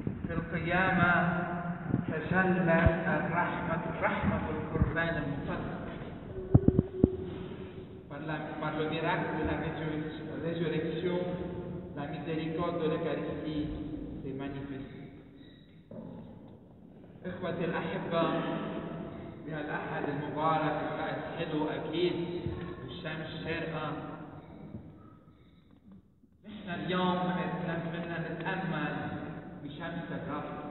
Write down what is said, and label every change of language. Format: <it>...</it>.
<ar>القيامة تجلى الرحمة، رحمة القربان المقدس.</ar> <fr>Par le miracle de la résurrection, la miséricorde de l'Eucharistie s'est manifestée.</fr> <ar>إخوتي الأحبة، في الأحد المبارك، الأحد الحلو أكيد، الشمس شارقة. نحن اليوم بدنا نتأمل بشمس الرب.</ar>